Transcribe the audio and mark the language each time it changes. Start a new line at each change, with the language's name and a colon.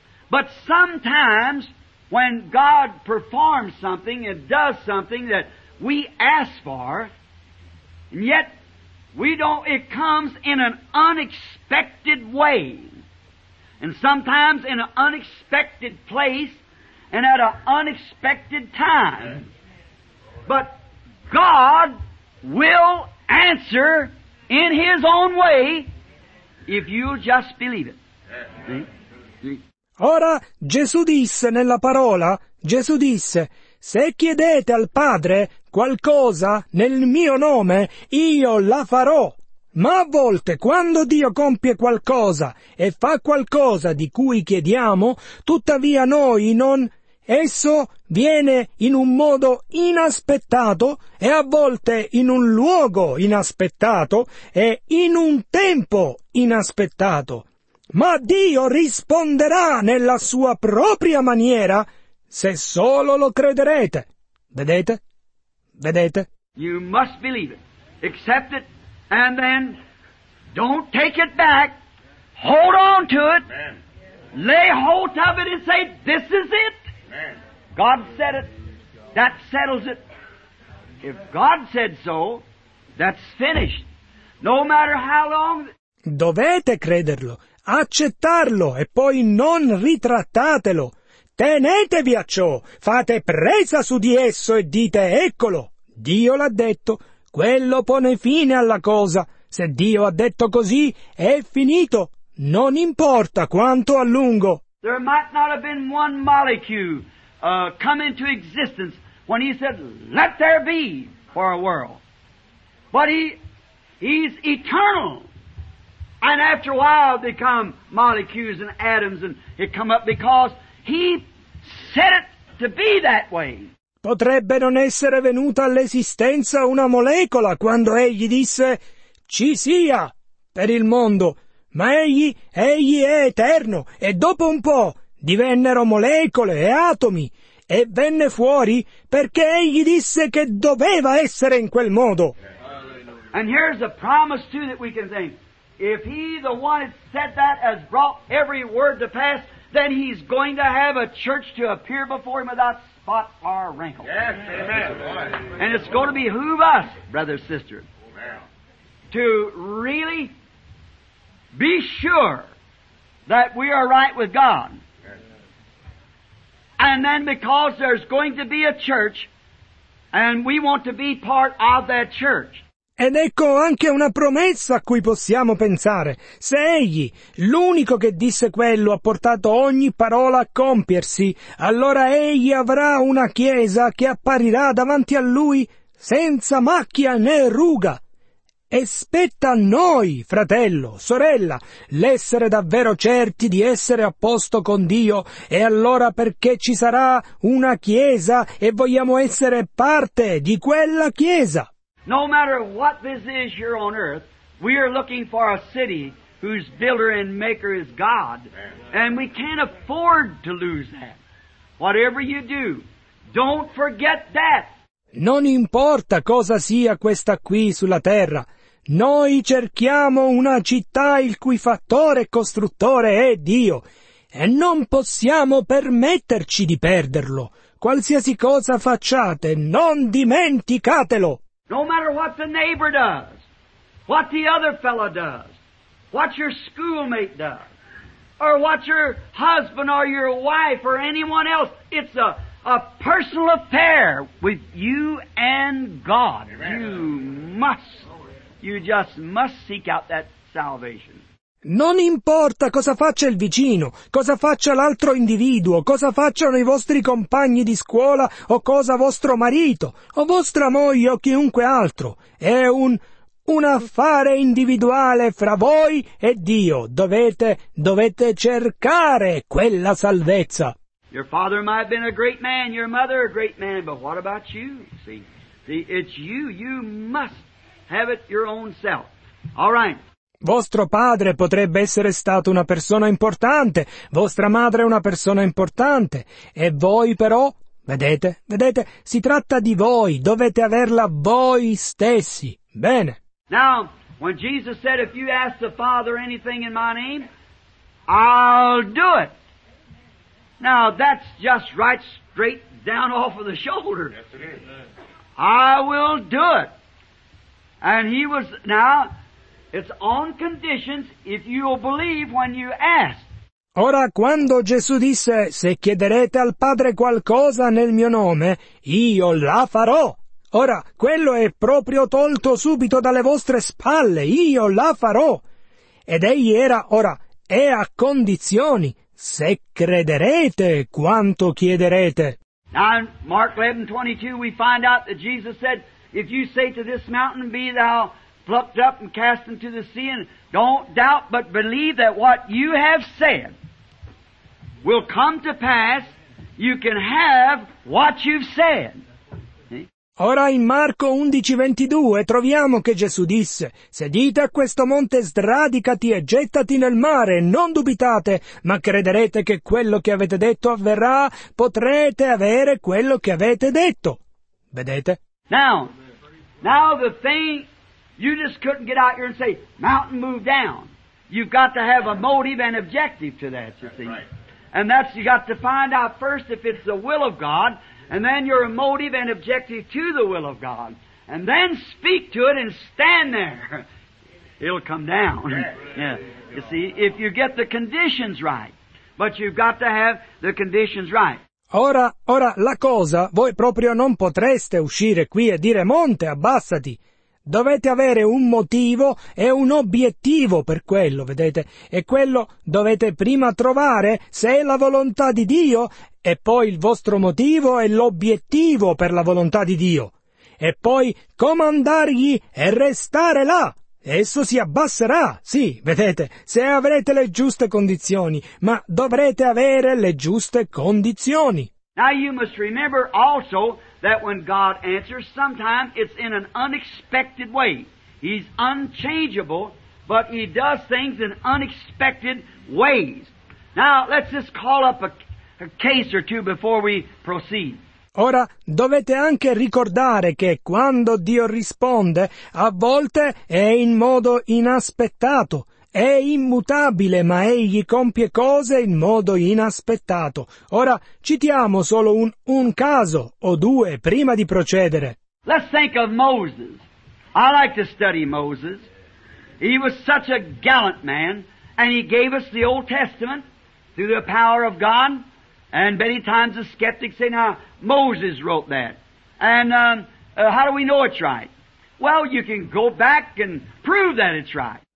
English: But sometimes when God performs something and does something that we ask for, and yet we don't, it comes in an unexpected way, and sometimes in an unexpected place, and at an unexpected time. But God will answer in his own way, if you'll just believe it.
Italian: Ora, Gesù disse nella parola, Gesù disse, se chiedete al Padre qualcosa nel mio nome, io la farò. Ma a volte, quando Dio compie qualcosa e fa qualcosa di cui chiediamo, tuttavia noi non... Esso viene in un modo inaspettato e a volte in un luogo inaspettato e in un tempo inaspettato. Ma Dio risponderà nella sua propria maniera se solo lo crederete. Vedete? Vedete?
English: You must believe it. Accept it and then don't take it back. Hold on to it. Amen. Lay hold of it and say, this is it. Amen. God said it. That settles it. If God said so, that's finished. No matter how long...
Italian: Dovete crederlo, accettarlo e poi non ritrattatelo. Tenetevi a ciò, fate presa su di esso e dite, eccolo, Dio l'ha detto, quello pone fine alla cosa. Se Dio ha detto così, è finito. Non importa quanto a lungo.
English: There might not have been one molecule come into existence when he said, let there be for a world. But he's eternal. And after a while become molecules and atoms and it come up because he set it to be that way.
Italian: Potrebbe non essere venuta all'esistenza una molecola quando egli disse, ci sia per il mondo. Ma egli è eterno, e dopo un po' divennero molecole e atomi, e venne fuori perché egli disse che doveva essere in quel modo.
English: And here's a promise too that we can think. If he, the one that said that, has brought every word to pass, then he's going to have a church to appear before him without spot or wrinkle. Yes, amen. And it's going to behoove us, brother, sister, to really be sure that we are right with God. And then because there's going to be a church, and we want to be part of that church.
Italian: Ed ecco anche una promessa a cui possiamo pensare. Se egli, l'unico che disse quello, ha portato ogni parola a compiersi, allora egli avrà una chiesa che apparirà davanti a lui senza macchia né ruga. E spetta a noi, fratello, sorella, l'essere davvero certi di essere a posto con Dio, e allora perché ci sarà una chiesa e vogliamo essere parte di quella chiesa?
English: No matter what this is here on earth, we are looking for a city whose builder and maker is God. And we can't afford to lose that. Whatever you do, don't forget that.
Italian: Non importa cosa sia questa qui sulla terra. Noi cerchiamo una città il cui fattore e costruttore è Dio. E non possiamo permetterci di perderlo. Qualsiasi cosa facciate, non dimenticatelo.
English: No matter what the neighbor does, what the other fellow does, what your schoolmate does, or what your husband or your wife or anyone else, it's a personal affair with you and God. Amen. You just must seek out that salvation.
Italian: Non importa cosa faccia il vicino, cosa faccia l'altro individuo, cosa facciano i vostri compagni di scuola o cosa vostro marito o vostra moglie o chiunque altro. È un affare individuale fra voi e Dio. Dovete cercare quella salvezza.
English: Your father might have been a great man, your mother a great man, but what about you? See, it's you. You must have it your own self. All right.
Italian: Vostro padre potrebbe essere stato una persona importante, vostra madre una persona importante, e voi però, vedete, si tratta di voi, dovete averla voi stessi. Bene.
English: Now, when Jesus said, if you ask the Father anything in my name, I'll do it. Now, that's just right straight down off of the shoulder. Yes, it is. I will do it. And he was, now... It's on conditions if you believe when you ask.
Italian: Ora, quando Gesù disse, se chiederete al Padre qualcosa nel mio nome, io la farò. Ora, quello è proprio tolto subito dalle vostre spalle, io la farò. Ed egli era, ora, è a condizioni, se crederete quanto chiederete. Now in Mark 11:22 we find out that Jesus said, if you say to this mountain, be thou plucked up and cast into the sea, and don't doubt but believe that what you have said will come to pass, you can have what you've said. Ora in Marco 11:22 troviamo che Gesù disse: «Se dite a questo monte sradicati e gettati nel mare, non dubitate, ma crederete che quello che avete detto avverrà, potrete avere quello che avete detto». Vedete?
English: Now the thing you just couldn't get out here and say, mountain move down. You've got to have a motive and objective to that, you see. And that's you got to find out first if it's the will of God, and then your motive and objective to the will of God. And then speak to it and stand there. It'll come down. Yeah. You see, if you get the conditions right. But you've got to have the conditions right.
Italian: Ora, la cosa, voi proprio non potreste uscire qui e dire, monte, abbassati. Dovete avere un motivo e un obiettivo per quello, vedete? E quello dovete prima trovare se è la volontà di Dio e poi il vostro motivo è l'obiettivo per la volontà di Dio. E poi comandargli e restare là. Esso si abbasserà, sì, vedete, se avrete le giuste condizioni, ma dovrete avere le giuste condizioni.
English: Now you must remember also that when God answers, sometimes it's in an unexpected way. He's unchangeable, but He does things in unexpected ways. Now, let's just call up a case or two before we proceed.
Italian: Ora, dovete anche ricordare che quando Dio risponde, a volte è in modo inaspettato. È immutabile, ma egli compie cose in modo inaspettato. Ora, citiamo solo un caso o due prima di procedere.
English: Let's think of Moses. I like to study Moses. He was such a gallant man, and he gave us the Old Testament through the power of God. And many times the skeptics say, now, Moses wrote that. And how do we know it's right? Well, you can go back and prove that it's right.